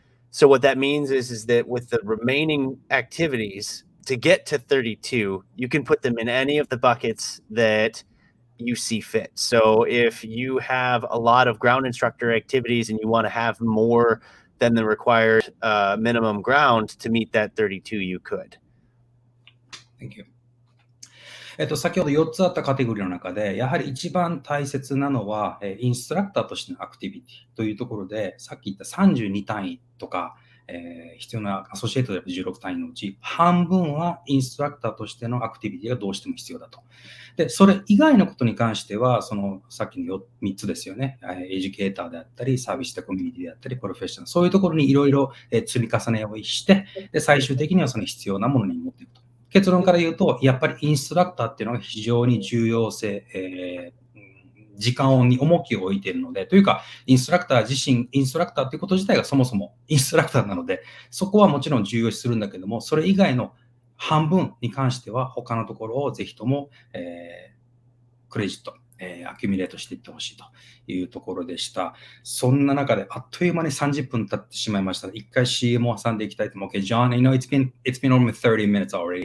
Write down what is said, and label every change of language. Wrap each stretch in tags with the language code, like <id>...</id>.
<en>So what that means is that with the remaining activities,to get to 32, you can put them in any of the buckets that you see fit. So if you have a lot of ground instructor activities and you want to have more than the required minimum ground to meet that 32, you could. Thank you.</en> <ja>先ほど4つあったカテゴリーの中で、やはり一番大切なのは、インストラクターとしてのアクティビティというところで、さっき言った32単位とか、必要なアソシエイトで16単位のうち半分はインストラクターとしてのアクティビティがどうしても必要だと。でそれ以外のことに関してはそのさっきの3つですよね、エデュケーターであったりサービスとコミュニティであったりプロフェッショナル、そういうところにいろいろ積み重ねをして、で最終的にはその必要なものに持っていくと。結論から言うとやっぱりインストラクターっていうのが非常に重要性、時間に重きを置いているので、というかインストラクター自身、インストラクターということ自体がそもそもインストラクターなので、そこはもちろん重要視するんだけども、それ以外の半分に関しては他のところをぜひとも、クレジット、アキュミレートしていってほしいというところでした。そんな中であっという間に30分経ってしまいました。一回 CM を挟んでいきたいと思う。</ja> <en>Okay, John, you know, it's been only 30 minutes already.</en>